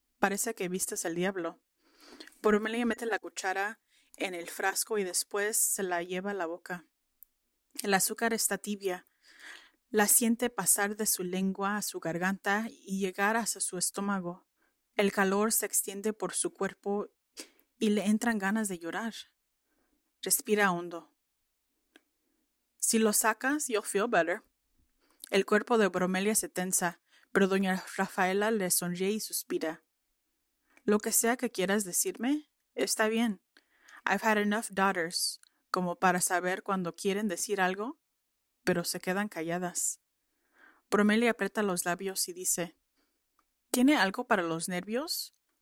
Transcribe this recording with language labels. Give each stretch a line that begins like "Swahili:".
Spanish: Parece que vistes al diablo. Bromelia mete la cuchara en el frasco y después se la lleva a la boca. El azúcar está tibia. La siente pasar de su lengua a su garganta y llegar hasta su estómago. El calor se extiende por su cuerpo y le entran ganas de llorar. Respira hondo. Si lo sacas,
English: you'll feel better.
Spanish: El cuerpo de Bromelia se tensa, pero doña Rafaela le sonríe y suspira. Lo que sea que quieras decirme, está bien.
English: I've had enough daughters
Spanish: como para saber cuando quieren decir algo. Pero se quedan calladas. Bromelia aprieta los labios y dice, ¿tiene algo para los nervios?